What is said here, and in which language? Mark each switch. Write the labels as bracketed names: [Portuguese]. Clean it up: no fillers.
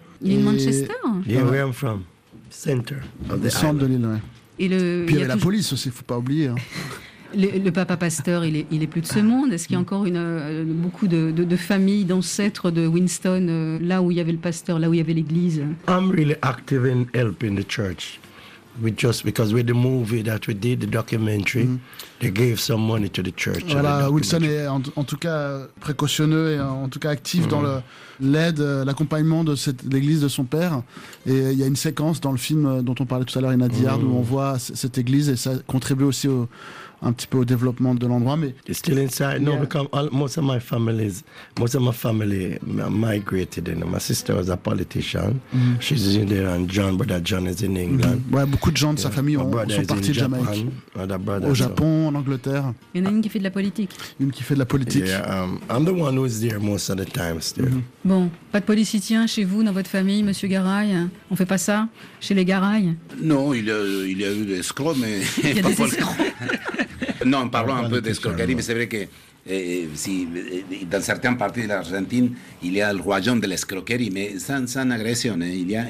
[French] L'île Manchester? [English] Yeah, where I'm from. Center of the [French] centre de l'île, ouais. Et puis il y a la police aussi, il ne faut pas oublier. Hein. Le papa pasteur, il est plus de ce monde. Est-ce qu'il y a encore beaucoup de familles, d'ancêtres de Winston, là où il y avait le pasteur, là où il y avait l'église? [English] I'm really active in helping the church. We just because with the movie that we did, the documentary, they gave some money to the church. [French] Voilà, Winston est en tout cas précautionneux et en tout cas actif dans l'accompagnement de l'église de son père. Et il y a une séquence dans le film dont on parlait tout à l'heure, Inadiard, où on voit cette église et ça contribue aussi un petit peu au développement de l'endroit, mais [English] it's still inside. No, because most of my family migrated in. My sister was a politician. She's in there, and John, brother John, is in England. Mm. [French] Ouais, beaucoup de gens de sa famille sont partis de Jamaïque. Au Japon, en Angleterre. Il y en a une qui fait de la politique. Une qui fait de la politique. [English] Yeah, I'm the one who's there most of the time still. Mm. [French] Bon, pas de politicien chez vous, dans votre famille, Monsieur Garay. On fait pas ça chez les Garay. Non, il y a eu des escrocs, mais il y a des escrocs. Non, parlons un peu d'escroquerie, mais c'est vrai que si, dans certaines parties de l'Argentine, il y a le royaume de l'escroquerie, mais sans agression. Hein.